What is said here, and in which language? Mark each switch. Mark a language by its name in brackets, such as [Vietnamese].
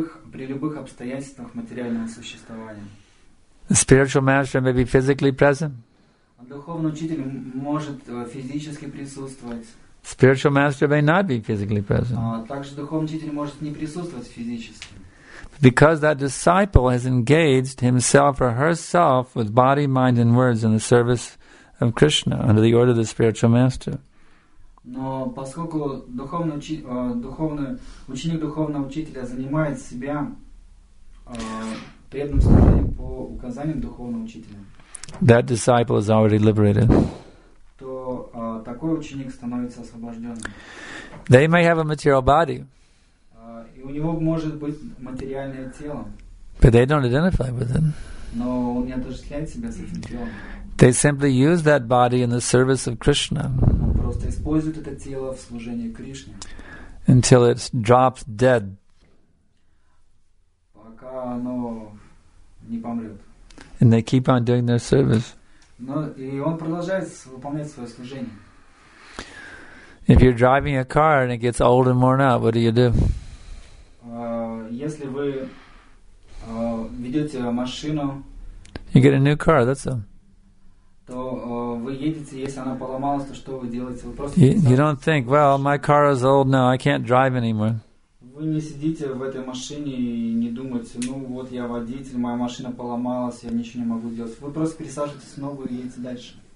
[Russian] При любых обстоятельствах материального существования. [English] The spiritual master may be physically present. [Russian] Духовный учитель может физически присутствовать. [English] Spiritual master may not be physically present. [Russian] Также духовный учитель может не присутствовать физически. [English] Because that disciple has engaged himself or herself with body, mind and words in the service of Krishna under the order of the spiritual master. [Russian] Но поскольку духовный ученик духовного учителя занимает себя преданным служением по указаниям духовного учителя. [English] That disciple is already liberated. [Russian] Такой ученик становится освобожденным. [English] They may have a material body. [Russian] И у него может быть материальное тело. [English] But they don't identify with it. [Russian] Но он не отождествляет себя с этим телом. [English] They simply use that body in the service of Krishna. [Russian] Он просто использует это тело в служении Кришне. [English] Until it drops dead. [Russian] Пока оно не помрет. [English] And they keep on doing their service. [Russian] Но и он продолжает выполнять свое служение. [English] If you're driving a car and it gets old and worn out, what do you do? [Russian] Если вы ведете машину, [English] you get a new car, that's all. [Russian] То вы едете, если она поломалась, то что вы делаете? Вы просто [English] you don't think, well, my car is old now, I can't drive anymore. [Russian] Вы не сидите в этой машине и не думаете, ну вот я водитель, моя машина поломалась, я ничего не могу делать. Вы просто пересаживаетесь в новую и едете дальше.